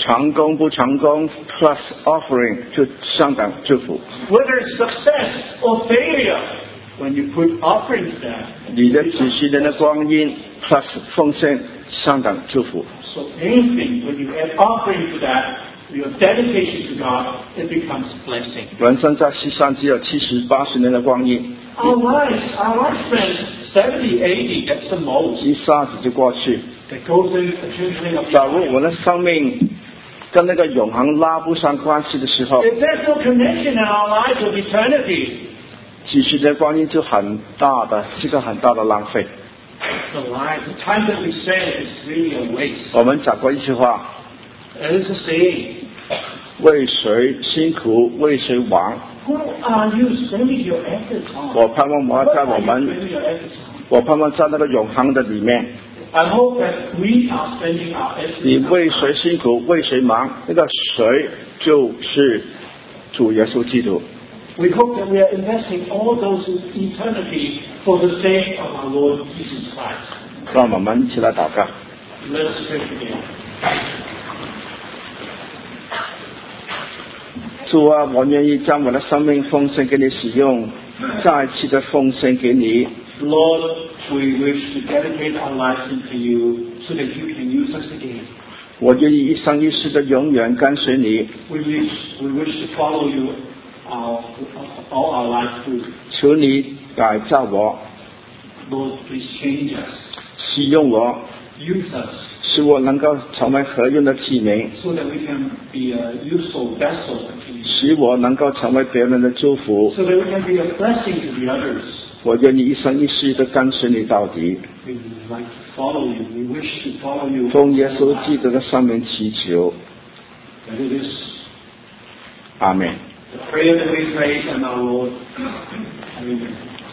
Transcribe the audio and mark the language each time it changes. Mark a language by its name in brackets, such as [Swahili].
[Chinese] 成功不成功 [English] plus offering [Chinese] 就相当祝福。 [English] Whether it's success or failure, when you put offering to that, [Chinese] 你的子息人的光阴 plus 奉献相当祝福。 [English] So anything, when you add offering to that, [Chinese] 人生在世上只有七十八十年的光阴。 [English] Our life, friends, 70, 80, that's the most. [Chinese] 一下子就过去。 [English] That goes in the twinkling of your eye. [Chinese] 假如我的生命跟那个永恒拉不上关系的时候 [English] ，If there's no connection in our lives with eternity, [Chinese] 几十年光阴就很大的，是个很大的浪费。 [English] The life, the time that we spend is really a waste. [Chinese] 我们讲过一句话。 [English] It's a saying. [Chinese] 为谁辛苦为谁忙 [English] Who are you spending your efforts on? [Chinese] 我盼望我在我们我盼望在那个永恒的里面 [English] I hope that we are spending our efforts on [Chinese] 你为谁辛苦为谁忙那个谁就是主耶稣基督 [English] We hope that we are investing all those eternity for the sake of our Lord Jesus Christ [Chinese] 让我们一起来祷告 [English] Let's pray together [Chinese] 主啊，我愿意将我的生命奉献给你使用，再次的奉献给你。 [English] Lord, we wish to dedicate our lives into you so that you can use us again. [Chinese] 我愿意一生一世的永远跟随你。 [English] We wish to follow you all our lives through. [Chinese] 求你改造我。 [English] Lord, please change us. [Chinese] 使用我。 [English] Use us. [Chinese] 使我能够成为何用的器皿 [English] so that we can be a useful vessel for you. [Chinese] 使我能够成为别人的祝福 [English] so that we can be a blessing to the others. [Chinese] 我愿意一生一世的跟随你到底 [English] we like to follow you. We wish to follow you. [Chinese] 奉耶稣基督的圣名祈求 [English] that it is Amen. The prayer that we pray in our Lord. Amen.